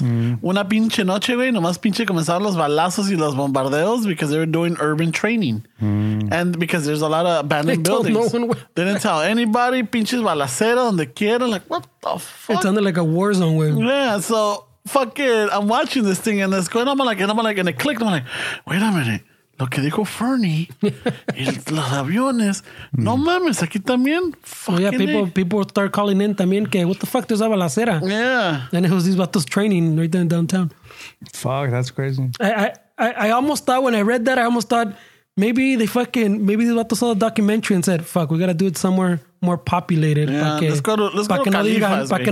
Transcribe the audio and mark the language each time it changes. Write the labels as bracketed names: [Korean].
[Spanish] Mm. Una pinche noche, güey, nomás pinche comenzaron los balazos y los bombardeos [English] because they were doing urban training. Mm. And because there's a lot of abandoned buildings. They didn't tell anybody, [Spanish] pinches balacera, donde quieran. [English] Like, what the fuck? It sounded like a war zone, güey. Yeah, so, fuck it. I'm watching this thing and it's going, I'm like, and it clicked. I'm like, wait a minute. [Spanish] Lo que dijo Fernie, los aviones, no mames, aquí también. [English] Oh yeah, people start calling in [Spanish] también que [English] what the fuck does have a balacera? Yeah, and it was these vatos training right there in downtown. Fuck, that's crazy. I almost thought when I read that, I almost thought Maybe they saw the documentary and said, fuck, we got to do it somewhere more populated. Yeah, [Spanish] que, [English] let's go to Califas.